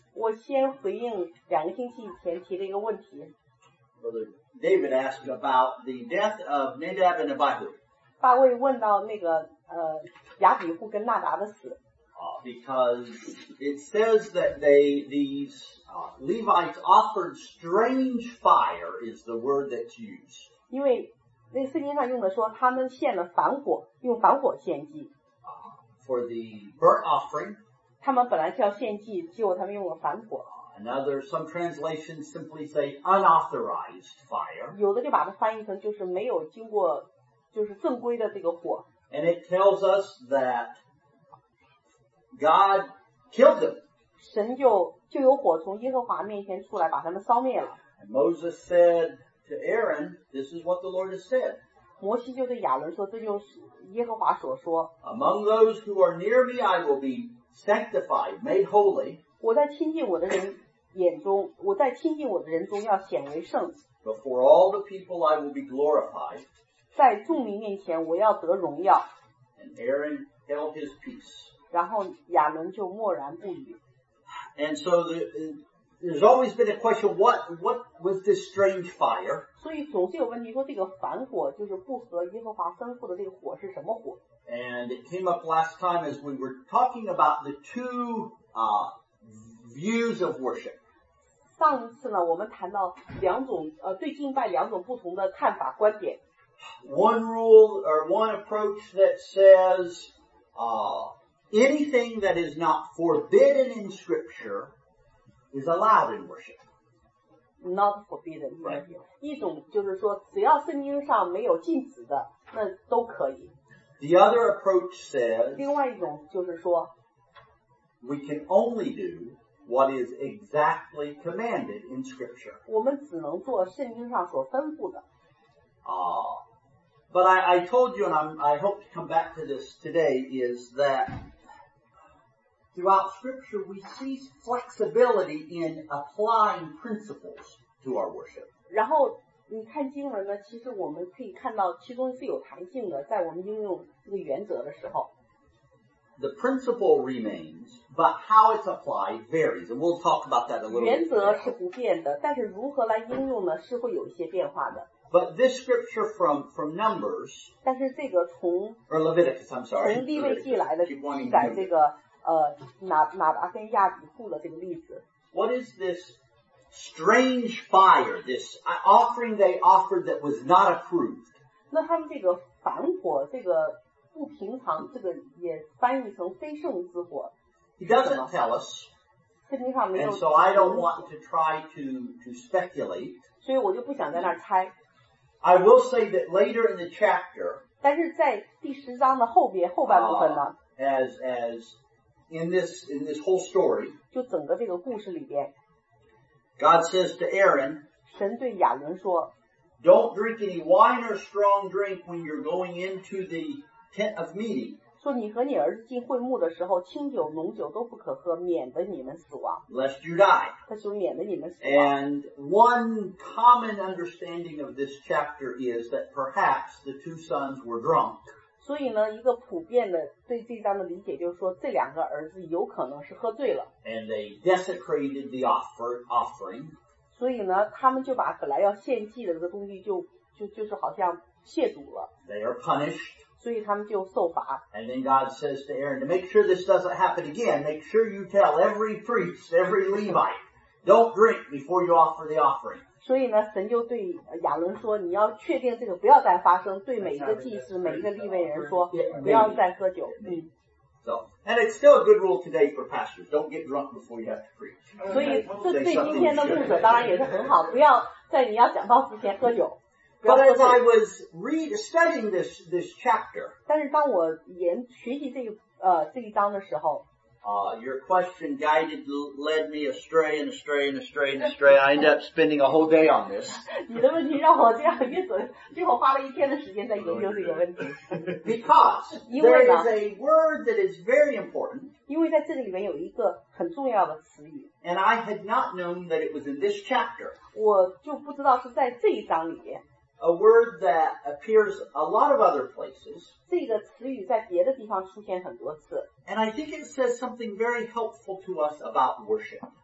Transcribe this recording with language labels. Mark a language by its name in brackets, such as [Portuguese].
[Chinese] 我先回应两个星期以前提的一个问题。 [English] Brother David asked about the death of Nadab and Abihu. [Chinese] 大卫问到那个亚比户跟纳达的死。 [English] Because it says that they, these Levites offered strange fire is the word that's used. [Chinese] 因为那圣经上用的说他们献了凡火，用凡火献祭。 [English] For the burnt offering. [Chinese] 他们本来是要献祭，结果他们用了凡火。 [English] Another, some translations simply say unauthorized fire. [Chinese] 有的就把它翻译成就是没有经过就是正规的这个火。 [English] And it tells us that God killed them. [Chinese] 神就有火从耶和华面前出来把他们烧灭了。 [English] And Moses said to Aaron, this is what the Lord has said. [Chinese] 摩西就对亚伦说这就是耶和华所说。 [English] Among those who are near me, I will be sanctified, made holy. [Chinese] 我在亲近我的人眼中，我在亲近我的人中要显为圣。 [English] Before all the people, I will be glorified. [Chinese] 在众民面前我要得荣耀。 [English] And Aaron held his peace. [Chinese] 然后亚伦就默然不语。 [English] And so there's always been a question, what was this strange fire? [Chinese] 所以总是有问题说这个凡火就是不合耶和华吩咐的这个火是什么火。 [English] And it came up last time as we were talking about the two views of worship. [Chinese] 上次呢我们谈到两种对敬拜两种不同的看法观点。 [English] One rule or one approach that says, anything that is not forbidden in scripture is allowed in worship. Not forbidden. Right. [Chinese] 一种就是说只要圣经上没有禁止的那都可以。 [English] The other approach says, [Chinese] 另外一种就是说 [English] we can only do what is exactly commanded in scripture. [Chinese] 我们只能做圣经上所吩咐的。 [English] But I told you, and I hope to come back to this today, is that throughout scripture we see flexibility in applying principles to our worship. [Chinese] 然后你看经文呢，其实我们可以看到其中是有弹性的，在我们应用这个原则的时候。 [English] The principle remains, but how it's applied varies, and we'll talk about that a little bit. [Chinese] 原则是不变的，但是如何来应用呢，是会有一些变化的。 [English] But this scripture from Numbers, [Chinese] 但是这个从 [English] or Leviticus, I'm sorry, [Chinese] 从利未记来的记载这个纳达跟亚比户的这个例子。 [English] What is this strange fire, this offering they offered that was not approved? [Chinese] 那他们这个凡火，这个不平常，这个也翻译成非圣之火。 [English] He doesn't tell us. [Chinese] 圣经上没有。 [English] And so I don't want to try to speculate. [Chinese] 所以我就不想在那儿猜。 [English] I will say that later in the chapter, [Chinese] 但是在第十章的后边后半部分呢 [English] as in this whole story, [Chinese] 就整个这个故事里边 [English] God says to Aaron, [Chinese] 神对亚伦说 [English] don't drink any wine or strong drink when you're going into the tent of meeting, [Chinese] 说你和你儿子进会幕的时候清酒浓酒都不可喝免得你们死亡 [English] lest you die, [Chinese] 他说免得你们死亡。 [English] And one common understanding of this chapter is that perhaps the two sons were drunk. [Chinese] 所以呢一个普遍的对这章的理解就是说这两个儿子有可能是喝醉了。 [English] And they desecrated the offering. [Chinese] 所以呢他们就把本来要献祭的这个东西就是好像亵渎了。 [English] They are punished. [Chinese] 所以他们就受罚。 [English] And then God says to Aaron, to make sure this doesn't happen again, make sure you tell every priest, every Levite, don't drink before you offer the offering. [Chinese] 所以呢神就对亚伦说你要确定这个不要再发生对每一个祭司每一个立位人说不要再喝酒。 [English] So, and it's still a good rule today for pastors, don't get drunk before you have to preach. [Chinese] 所以这对今天的牧者当然也是很好不要在你要讲道之前喝酒。 [English] But as I was studying this chapter, [Chinese] 但是当我学习这这一章的时候 [English] your question guided led me astray and astray and astray and astray. I ended up spending a whole day on this. [Chinese] 你的问题让我这样越走，最后花了一天的时间在研究这个问题。 [English] Because there is a word that is very important. [Chinese] 因为在这个里面有一个很重要的词语。 [English] And I had not known that it was in this chapter. [Chinese] 我就不知道是在这一章里面。 [English] A word that appears a lot of other places. [Chinese] 这方出现很多次。 [English] And I think it says something very helpful to us about worship.